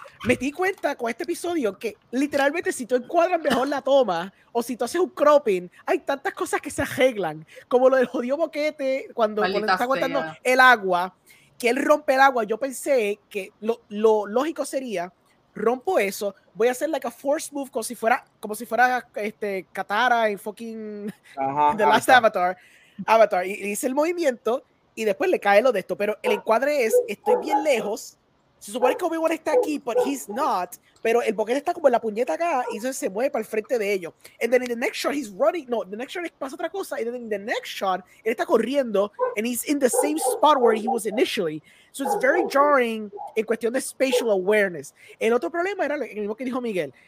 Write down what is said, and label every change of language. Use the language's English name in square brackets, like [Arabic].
[Spanish] me di cuenta con este episodio que literalmente si tú encuadras mejor la toma o si tú haces un cropping, hay tantas cosas que se arreglan, como lo del jodido boquete cuando está aguantando el agua, que él rompe el agua. Yo pensé que lo lógico sería, rompo eso, voy a hacer [English] like a force move [Spanish] como si fuera Katara en fucking The Last Avatar, y hice el movimiento y después le cae lo de esto, pero el encuadre es, estoy bien lejos. Se supone que Obi-Wan está aquí, [English] but he's not. [Spanish] Pero el boquete está como en la puñeta acá y entonces se mueve para el frente de ellos. [English] And then in the next shot, he's running. No, the next shot [Spanish] pasa otra cosa. [English] And then in the next shot, [Spanish] él está corriendo [English] and he's in the same spot where he was initially. So it's very jarring [Spanish] en cuestión de [English] spatial awareness. [Spanish] El otro problema era el mismo que dijo Miguel.